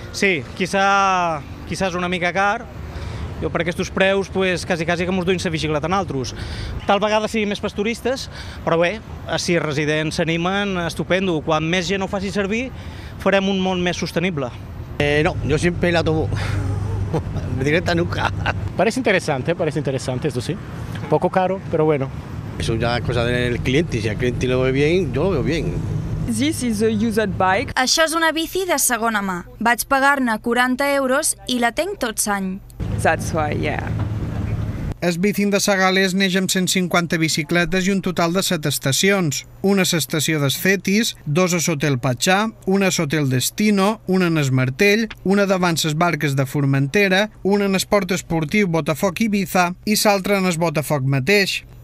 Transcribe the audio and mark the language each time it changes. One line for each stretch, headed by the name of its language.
Catalan: Sí, quizás una mica car. Jo per aquests preus, pues, quasi que mos duim la bicicleta en altres. Tal vegada sigui més pels turistes, però bé, si els residents s'animen, estupendo. Quan més gent ho faci servir, farem un món més sostenible. No, jo sempre he l'autobús. Directa nunca.
Spanish: Parece interessant, esto sí. Poco caro, però bueno. Eso ya es cosa del cliente. Si el cliente lo ve bien, yo lo veo bien.
English: This is a used bike.
Catalan: Això és una bici de segona mà. Vaig pagar-ne 40 euros i la tenc tot l'any.
English: That's why, yeah.
Catalan: El Bicing de Segalers neix amb 150 bicicletes i un total de 7 estacions. Una a l'estació dels Fetis, dos a l'hotel Patxà, una a l'hotel Destino, una en el Martell, una davant les barques de Formentera, una en esport esportiu Botafoc Ibiza i l'altra en el Botafoc mateix.